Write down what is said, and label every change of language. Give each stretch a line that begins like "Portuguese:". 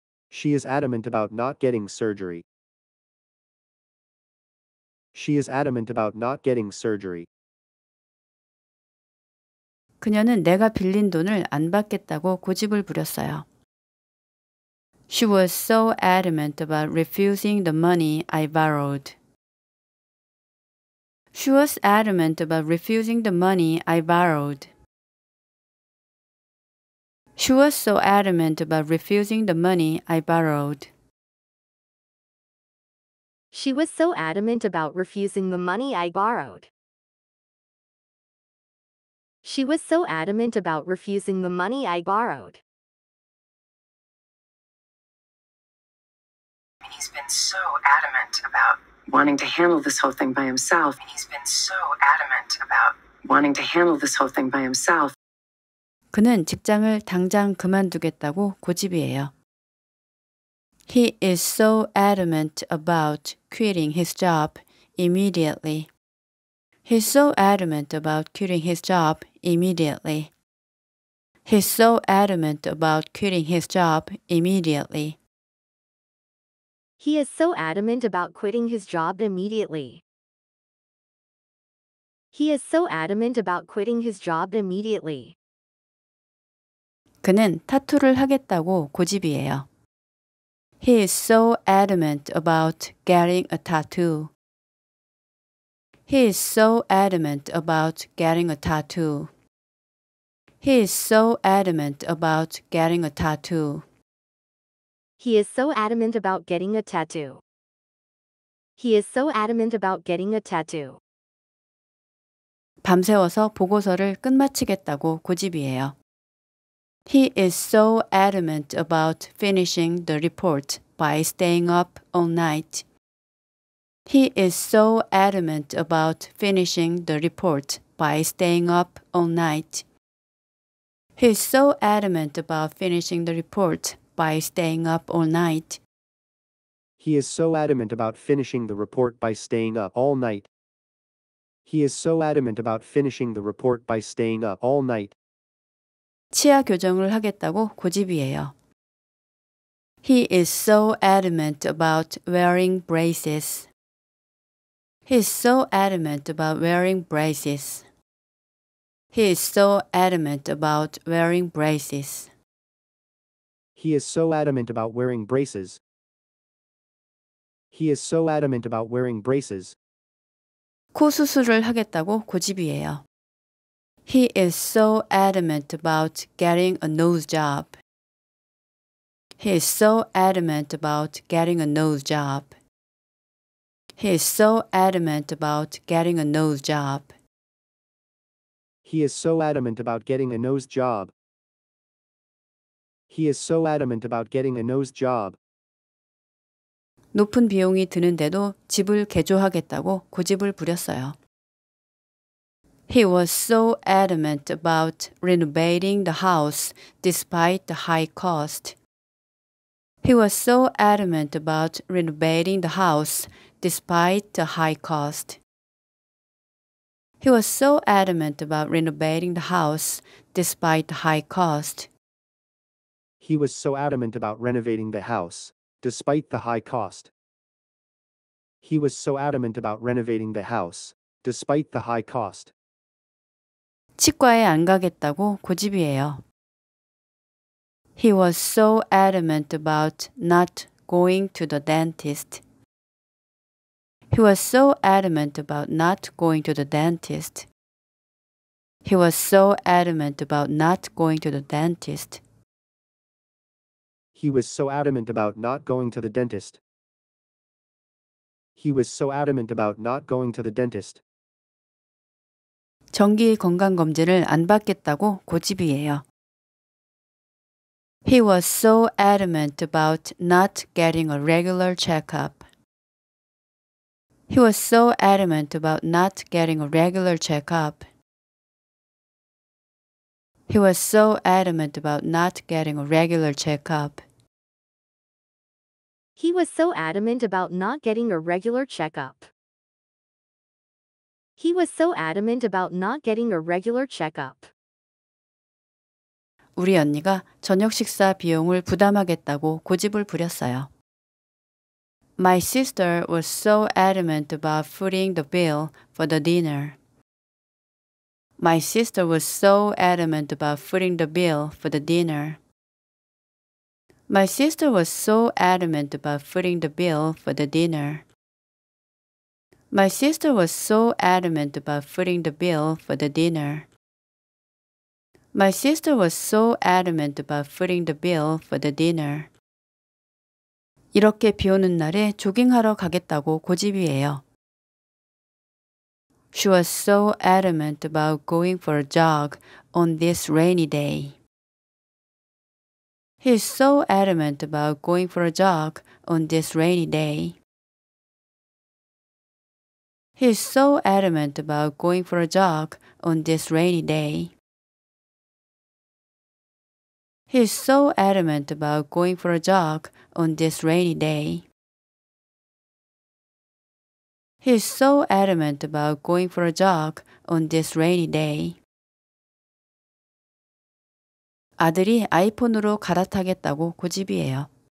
English: She is adamant about not getting surgery. She is adamant about not getting surgery.
Korean: 그녀는 내가 빌린 돈을 안 받겠다고 고집을 부렸어요.
English: She was so adamant about refusing the money I borrowed. She was adamant about refusing the money I borrowed. She was so adamant about refusing the money I borrowed. She was so adamant about refusing the money I borrowed. She was so adamant about refusing the money I borrowed. He's been so adamant about wanting to handle this whole thing by himself. He's been so adamant about wanting to handle this whole thing by himself.
Korean: 그는 직장을 당장 그만두겠다고 고집이에요.
English: He is so adamant about quitting his job immediately. He's so adamant about quitting his job immediately. He's so adamant about quitting his job immediately. He is so adamant about quitting his job immediately. He is so adamant about quitting his job immediately.
Korean: 그는 타투를 하겠다고 고집이에요.
English: He is so adamant about getting a tattoo. He is so adamant about getting a tattoo. He is so adamant about getting a tattoo. He is so adamant about getting a tattoo. He is so adamant about getting a tattoo.
Korean: 밤새워서 보고서를 끝마치겠다고 고집이에요.
English: He is so adamant about finishing the report by staying up all night. He is so adamant about finishing the report by staying up all night. He is so adamant about finishing the report by staying up all night. He is so adamant about finishing the report by staying up all night. He is so adamant about finishing the report by staying up all night.
Korean: 치아 교정을 하겠다고 고집이에요.
English: He is so adamant about wearing braces. He is so adamant about wearing braces. He is so adamant about wearing braces. He is so adamant about wearing braces. He is so adamant about wearing braces.
Korean: 코 수술을 하겠다고 고집이에요.
English: He is so adamant about getting a nose job. He is so adamant about getting a nose job. He is so adamant about getting a nose job. He is so adamant about getting a nose job. He is so adamant about getting a nose job.
Korean: 높은 비용이 드는데도 집을 개조하겠다고 고집을 부렸어요.
English: He was so adamant about renovating the house despite the high cost. He was so adamant about renovating the house despite the high cost. He was so adamant about renovating the house despite the high cost. He was so adamant about renovating the house despite the high cost. He was so adamant about renovating the house despite the high cost.
Korean: 치과에 안 가겠다고 고집이에요.
English: He was so adamant about not going to the dentist. He was so adamant about not going to the dentist. He was so adamant about not going to the dentist. He was so adamant about not going to the dentist. He was so adamant about not going to the dentist.
Korean: 정기 건강검진을 안 받겠다고 고집이에요.
English: He was so adamant about not getting a regular checkup. He was so adamant about not getting a regular checkup. He was so adamant about not getting a regular checkup. He was so adamant about not getting a regular checkup. He was so adamant about not getting a regular checkup.
Korean: 우리 언니가 저녁 식사 비용을 부담하겠다고 고집을 부렸어요.
English: My sister was so adamant about footing the bill for the dinner. My sister was so adamant about footing the bill for the dinner. My sister was so adamant about footing the bill for the dinner. My sister was so adamant about footing the bill for the dinner. My sister was so adamant about footing the bill for the dinner.
Korean: 이렇게 비 오는 날에 조깅하러 가겠다고 고집이에요.
English: She was so adamant about going for a jog on this rainy day. He is so adamant about going for a jog on this rainy day. He is so adamant about going for a jog on this rainy day. He is so adamant about going for a jog on this rainy day. He is so adamant about going for a jog on this rainy day.
Korean: 아들이 아이폰으로 갈아타겠다고 고집이에요.